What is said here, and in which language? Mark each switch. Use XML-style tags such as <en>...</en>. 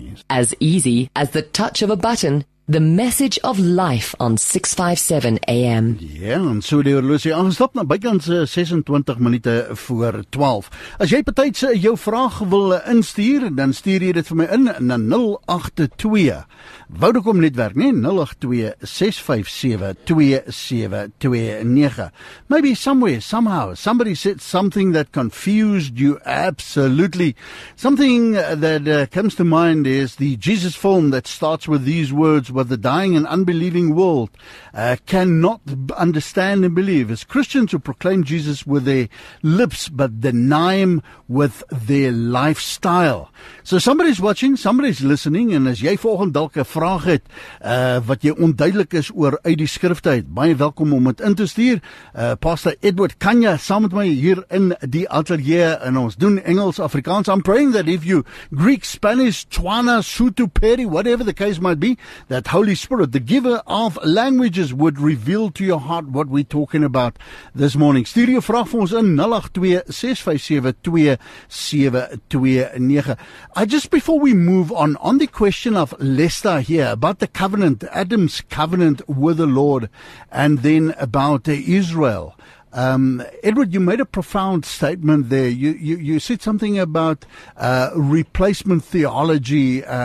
<en>As easy as the touch of a button, the message of life on 657 AM.</en> <af>Ja, en so die oorloosie aangestap na bykans 26 minute voor 12. As jy betyds jou vraag wil instuur, dan stuur jy dit vir my in na 082. Woudekom netwerk, nie? 082-657-2729.</af> <en>Maybe somewhere, somehow, somebody said something that confused you absolutely. Something that comes to mind is the Jesus film that starts with these words, where the dying and unbelieving world cannot understand and believe. It's Christians who proclaim Jesus with their lips, but deny him with their lifestyle. So somebody's watching, somebody's listening, and</en> <af>as jy volgende dalk 'n vraag het, wat jy onduidelik is oor uit die skrifte uit. Baie welkom om het in te stuur. Pastor Edward Kanya, saam met my hier in die atelier, en ons doen Engels, Afrikaans.</af> <en>I'm praying that if you Greek, Spanish, Tswana, Sotho, Pedi, whatever the case might be, that Holy Spirit, the giver of languages, would reveal to your heart what we're talking about this morning.</en> <af>Stuur jou vraag vir ons in 082-657-2729.</af> <en>Just before we move on the question of Lester here about the covenant, Adam's covenant with the Lord, and then about Israel. Edward, you made a profound statement there. You said something about replacement theology.</en>